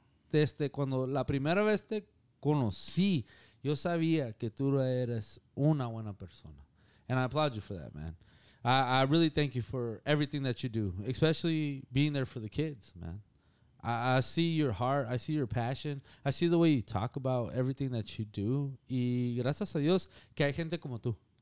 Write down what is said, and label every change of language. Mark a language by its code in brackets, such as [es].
[es] Desde cuando la primera vez te conocí, yo sabía que tú eres una buena persona. [en] And I applaud you for that, man. I really thank you for everything that you do, especially being there for the kids, man. I see your heart. I see your passion. I see the way you talk about everything that you do. [es] Y gracias a Dios que hay gente como tú.